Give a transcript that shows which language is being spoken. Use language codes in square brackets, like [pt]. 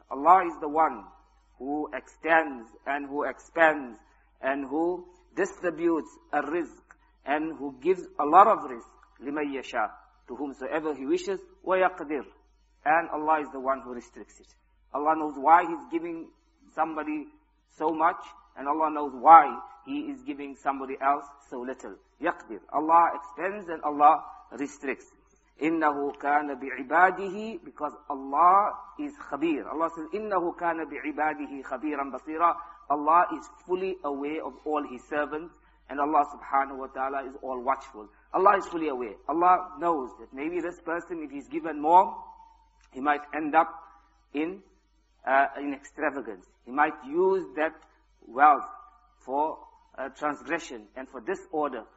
[en] Allah is the one who extends and who expands and who distributes a rizq, and who gives a lot of rizq, [ar] لِمَنْ يَشَاءَ, [en] to whomsoever he wishes, [ar] وَيَقْدِرْ, [en] and Allah is the one who restricts it. Allah knows why he's giving somebody so much, and Allah knows why he is giving somebody else so little. [ar] يَقْدِرْ, [en] Allah expends and Allah restricts. [ar] إِنَّهُ كَانَ بِعِبَادِهِ, [en] because Allah is khabir. Allah says, [ar] إِنَّهُ كَانَ بِعِبَادِهِ خَبِيرًا بَصِيرًا. [en] Allah is fully aware of all his servants, and Allah subhanahu wa ta'ala is all watchful. Allah is fully aware. Allah knows that maybe this person, if he's given more, he might end up in extravagance. He might use that wealth for transgression and for disorder.